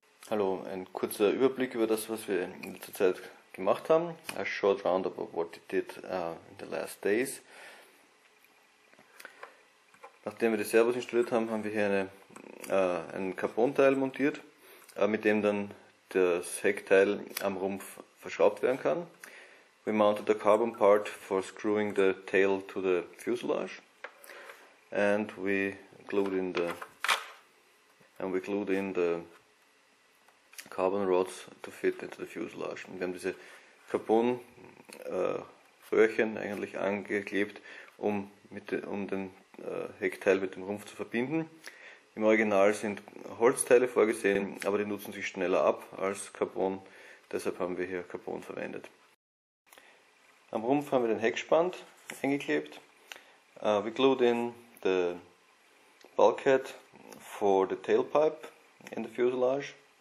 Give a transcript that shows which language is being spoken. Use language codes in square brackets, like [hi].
[de] Hallo, ein kurzer Überblick über das, was wir in letzter Zeit gemacht haben. [en] A short roundup of what we did in the last days. [de] Nachdem wir die Servos installiert haben, haben wir hier einen Carbon-Teil montiert, mit dem dann das Heckteil am Rumpf verschraubt werden kann. [en] We mounted the carbon part for screwing the tail to the fuselage. And we glued in the Carbon Rods to fit into the fuselage. [de] Und wir haben diese Carbon-Röhrchen eigentlich angeklebt, um den Heckteil mit dem Rumpf zu verbinden. Im Original sind Holzteile vorgesehen, aber die nutzen sich schneller ab als Carbon, deshalb haben wir hier Carbon verwendet. Am Rumpf haben wir den Heckspant eingeklebt. [en] We glued in the bulkhead for the tailpipe in the fuselage.